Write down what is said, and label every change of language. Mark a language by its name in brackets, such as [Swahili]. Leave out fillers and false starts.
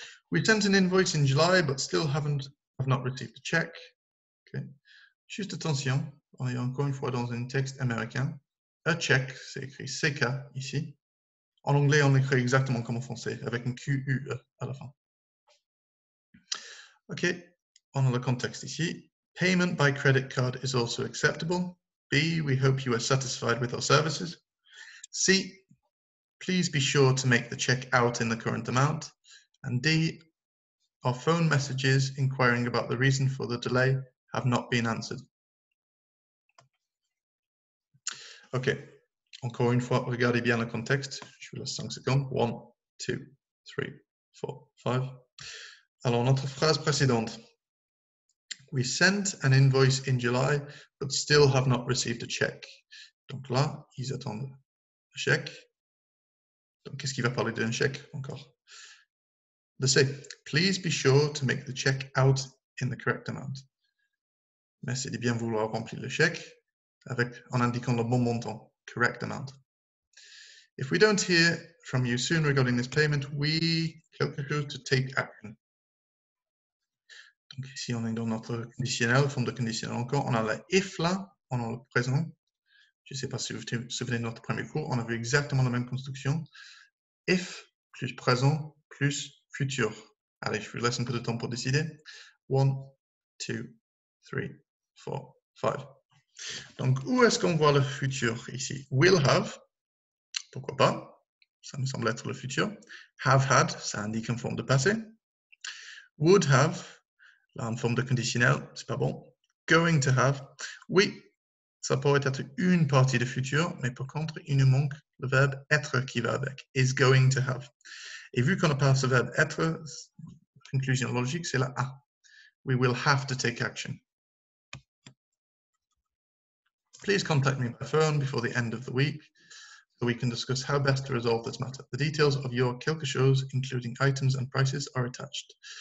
[English] We sent an invoice in July, but still have not received a check. Okay. [French] Juste attention, on est encore une fois dans un texte américain. A check, c'est écrit CK ici. En anglais, on écrit exactement comme en français, avec un QUE à la fin. OK, on a le contexte ici. [English] Payment by credit card is also acceptable. B, we hope you are satisfied with our services. C, please be sure to make the check out in the current amount. And D, our phone messages inquiring about the reason for the delay have not been answered. [French] OK, encore une fois, regardez bien le contexte. Je vous laisse 5 secondes. 1, 2, 3, 4, 5. Alors, notre phrase précédente. [English] We sent an invoice in July, but still have not received a check. [French] Donc là, ils attendent le chèque. Donc, qu'est-ce qu'il va parler d'un chèque encore? Le C. Please be sure to make the check out in the correct amount. Merci de bien vouloir remplir le chèque avec, en indiquant le bon montant, [English] correct amount. If we don't hear from you soon regarding this payment, we calculate to take action. [French] Donc ici, on est dans notre conditionnel, forme de conditionnel encore. On a la if là, on a le présent. Je ne sais pas si vous vous souvenez de notre premier cours, on a vu exactement la même construction. If plus présent plus futur. Allez, je vous laisse un peu de temps pour décider. 1, 2, 3, 4, 5. Donc, où est-ce qu'on voit le futur ici? [English] Will have, [French] pourquoi pas, ça me semble être le futur. [English] Have had, [French] ça indique une forme de passé. [English] Would have, [French] là, en forme de conditionnel, c'est pas bon. [English] Going to have, [French] oui, ça pourrait être une partie du futur, mais par contre, il nous manque le verbe être qui va avec, [English] is going to have. [French] Et vu qu'on n'a pas ce verbe être, conclusion logique, c'est la A. [English] We will have to take action. Please contact me by phone before the end of the week so we can discuss how best to resolve this matter. The details of your [French] quelque chose, [English] including items and prices, are attached.